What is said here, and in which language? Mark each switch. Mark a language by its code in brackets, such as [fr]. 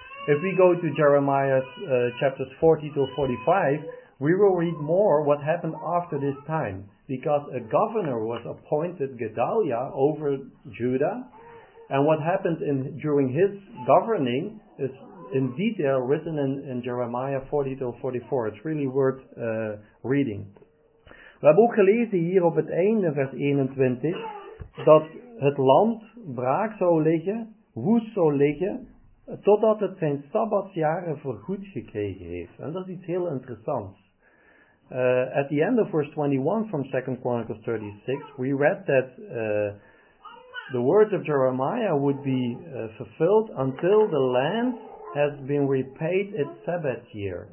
[en] If we go to Jeremiah chapters 40 to 45, we will read more what happened after this time, because a governor was appointed, Gedalia, over Judah, and what happened during his governing is in detail written in Jeremiah 40-44. It's really worth reading. [nl] We hebben ook gelezen hier op het einde, vers 21, dat het land braak zou liggen, woest zou liggen, totdat het zijn sabbatsjaren vergoed gekregen heeft. En dat is iets heel interessants. [en] At the end of verse 21 from 2 Chronicles 36, we read that the words of Jeremiah would be fulfilled until the land has been repaid its Sabbath year.